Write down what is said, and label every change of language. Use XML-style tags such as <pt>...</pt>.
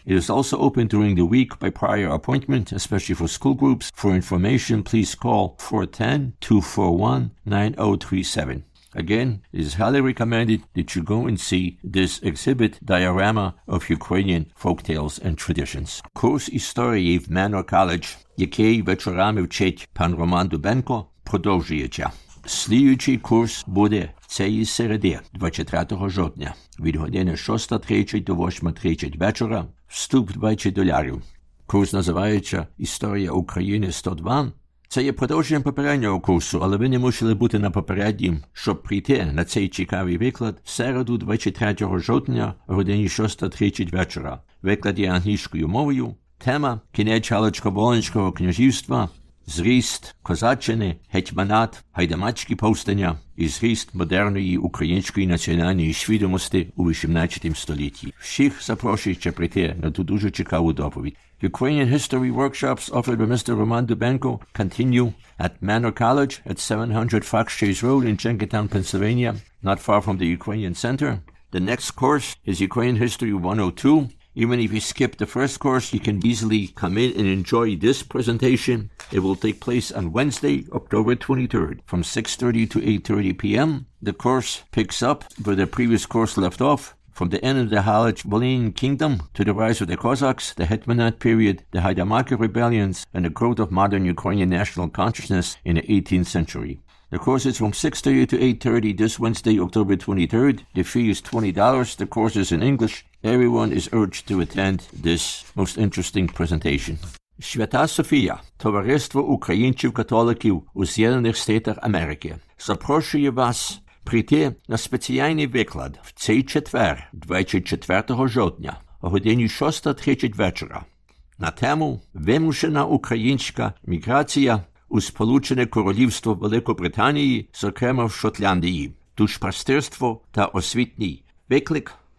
<en>It is also open during the week by prior appointment, especially for school groups. For information, please call 410-241-9037. Again, it is highly recommended that you go and see this exhibit, Diorama of Ukrainian Folktales and Traditions.</en> <uk>Курс історії в Manor College, який вечорами вчить пан Роман Дубенко, продовжується. Слідуючий курс буде цієї середи, 24 жовтня, від години 6.30 до 8.30 вечора, вступ $20. Курс називається «Історія України 102». Це є продовження попереднього курсу, але ви не мусили бути на попереднім, щоб прийти на цей цікавий виклад в середу 23 жовтня о годині 6.30 вечора. Виклад є англійською мовою. Тема – кінець Галицько-Волинського князівства, зріст козаччини, гетьманат, гайдамацькі повстання і зріст модерної української національної свідомості у 18 столітті. Всіх запрошується прийти на ту дуже цікаву доповідь.</uk> <en>Ukrainian History Workshops offered by Mr. Roman Dubenko continue at Manor College at 700 Fachchase Road in Jenkintown, Pennsylvania, not far from the Ukrainian Center. The next course is Ukrainian History 102. Even if you skip the first course, you can easily come in and enjoy this presentation. It will take place on Wednesday, October 23rd, from 6:30 to 8:30 p.m. The course picks up where the previous course left off. From the end of the Halych-Volyn Kingdom to the rise of the Cossacks, the Hetmanate period, the Haidamaki rebellions, and the growth of modern Ukrainian national consciousness in the 18th century. The course is from 6:30 to 8:30 this Wednesday, October 23rd. The fee is $20. The course is in English. Everyone is urged to attend this most interesting presentation.</en> <uk>Свята Софія, Товариство Українців-католиків у З'єднаних Штатах Америки, запрошує вас прийти на спеціальний виклад в цей четвер, 24 жовтня, о годині 6.30 вечора, на тему «Вимушена українська міграція у Сполучене Королівство Великобританії, зокрема в Шотландії, душпастирство та освітній виклик».</uk>